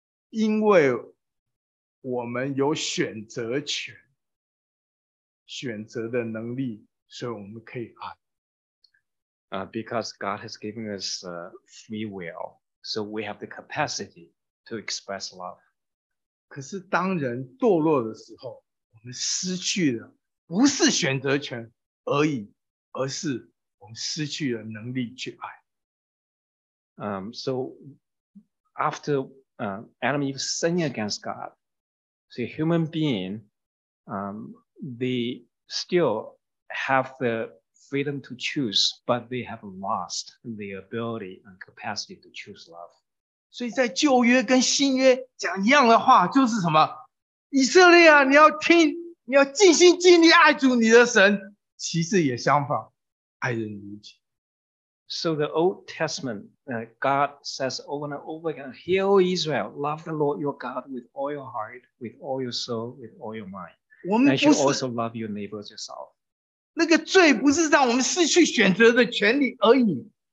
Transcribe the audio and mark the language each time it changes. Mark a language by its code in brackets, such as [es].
[zh] 因为我们有选择权。选择的能力，所以我们可以爱。 [en] Because God has given us free will, so we have the capacity to express love. [zh] 可是当人堕落的时候，我们失去了不是选择权而已，而是我们失去了能力去爱。 [en] So after Adam and Eve sinned against God, so human being, they still have the freedom to choose, but they have lost the ability and capacity to choose love. [zh] 所以在旧约跟新约讲一样的话，就是什么？以色列啊，你要听，你要尽心尽力爱主你的神。其实也相反，爱人如己。 [en] So the Old Testament, God says over and over again, Hear, Israel, love the Lord your God with all your heart, with all your soul, with all your mind. And you should also love your neighbors yourself. [zh] 那个罪不是让我们失去选择的权利而已。